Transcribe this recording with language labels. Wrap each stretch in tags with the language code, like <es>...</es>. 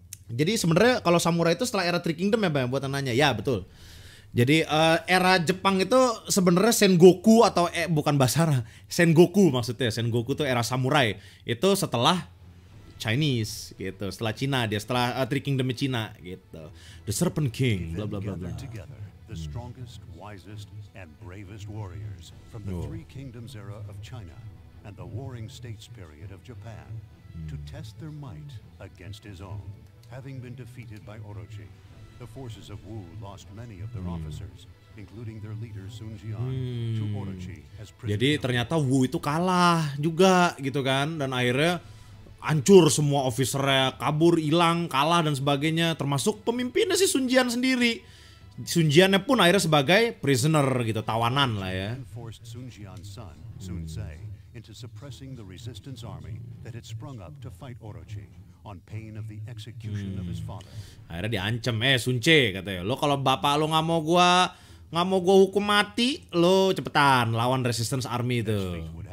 <id>Jadi sebenarnya kalau samurai itu setelah era Three Kingdom ya bang, buat nanya. Ya betul. Jadi era Jepang itu sebenarnya Sengoku atau bukan Basara. Sengoku maksudnya. Sengoku itu era samurai. Itu setelah Chinese gitu. Setelah Cina dia. Setelah Three Kingdom Cina gitu.</id> <en>The Serpent King.</en> <id>Blah blah blah blah.</id> <en>Together, the strongest, wisest, and bravest warriors from the Three Kingdoms era of China and the Warring States period of Japan to test their might against his own. Having been defeated by Orochi, the forces of Wu lost many of their officers, including their leader Sun Jian, to Orochi as prisoner.</en> <id>Jadi ternyata Wu itu kalah juga gitu kan, dan akhirnya hancur semua officernya, kabur, hilang, kalah dan sebagainya, termasuk pemimpinnya si Sun Jian sendiri. Sun Jiannya pun akhirnya sebagai prisoner gitu, tawanan lah ya.</id> <en>Forced Sun Jian's son, Sun Sei, into suppressing the resistance army that had sprung up to fight Orochi. On pain of the execution of his father.</en> <id>Akhirnya diancam, Sun Che katanya, lo kalau bapak lo nggak mau gua hukum mati, lo cepetan lawan resistance army itu.</id>